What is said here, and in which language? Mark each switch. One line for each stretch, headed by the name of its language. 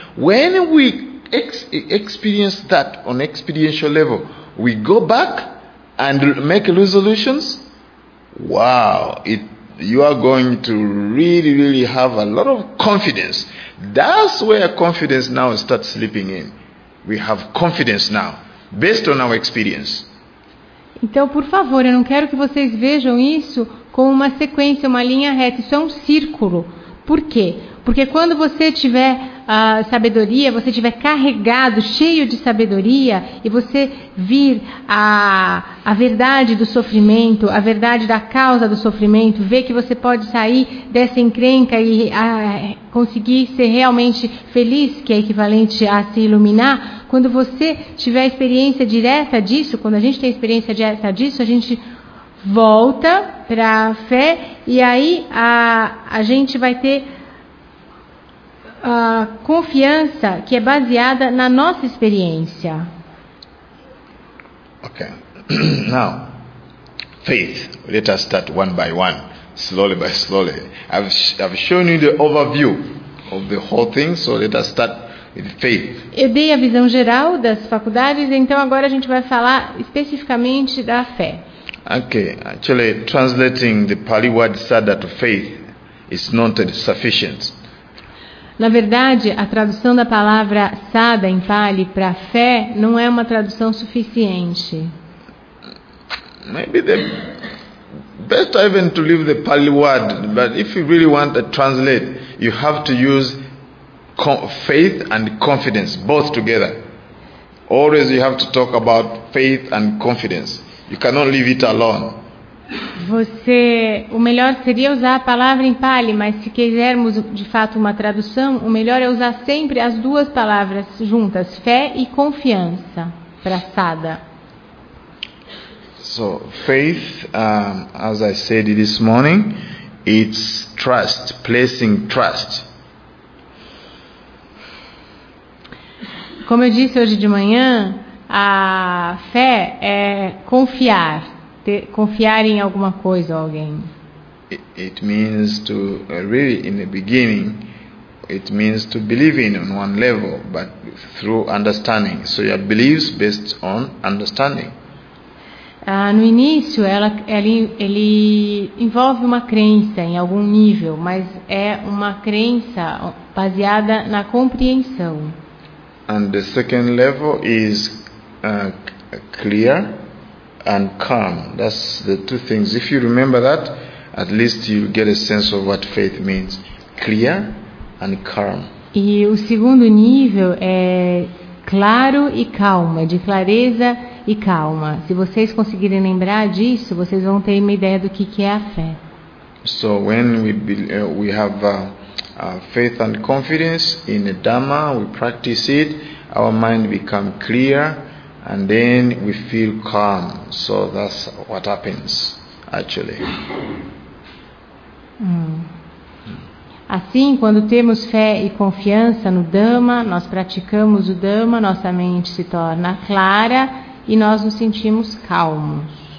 English: When we experience that on experiential level, we go back and make resolutions. Wow, you are going to really, really have a lot of confidence. That's where confidence now starts slipping in. We have confidence now, based on our experience.
Portuguese: Então, por favor, eu não quero que vocês vejam isso como uma sequência, uma linha reta. Isso é um círculo. Por quê? Porque quando você tiver sabedoria, você estiver carregado, cheio de sabedoria, e você vir a verdade do sofrimento, a verdade da causa do sofrimento, ver que você pode sair dessa encrenca e conseguir ser realmente feliz, que é equivalente a se iluminar, quando você tiver experiência direta disso, quando a gente tem experiência direta disso, a gente volta para a fé e aí a gente vai ter a confiança que é baseada na nossa experiência.
English: Ok. Now, faith. Let us start one by one. slowly by slowly. I've shown you the overview of the whole thing, so let us start with faith.
Portuguese: Eu dei a visão geral das faculdades, então agora a gente vai falar especificamente da fé.
English: Okay, actually translating the Pali word sadda to faith is not sufficient.
Portuguese: Na verdade, a tradução da palavra sadda em Pali para fé não é uma tradução suficiente.
English: Maybe the best even to leave the Pali word, but if you really want to translate, you have to use faith and confidence both together. Always you have to talk about faith and confidence. You cannot leave it alone.
Portuguese: Você, o melhor seria usar a palavra em Pali, mas se quisermos de fato uma tradução, o melhor é usar sempre as duas palavras juntas, fé e confiança, para sadda.
English: So, faith, as I said this morning, it's trust, placing trust.
Portuguese: Como eu disse hoje de manhã, a fé é confiar. Confiar em alguma coisa ou alguém.
English: It means to really in the beginning, it means to believe in on one level, but through understanding. So your beliefs based on understanding.
Portuguese: No início, ele envolve uma crença em algum nível, mas é uma crença baseada na compreensão.
English: And the second level is clear. And calm. That's the two things. If you remember that, at least you get a sense of what faith means. Clear and calm.
Portuguese: E o segundo nível é claro e calma, de clareza e calma. Se vocês conseguirem lembrar disso, vocês vão ter uma ideia do que é a fé.
English: So when we have faith and confidence in the Dhamma, we practice it, our mind become clear. And then we feel calm. So that's what happens, actually.
Portuguese: Assim, quando temos fé e confiança no Dhamma, nós praticamos o Dhamma, nossa mente se torna clara e nós nos sentimos calmos.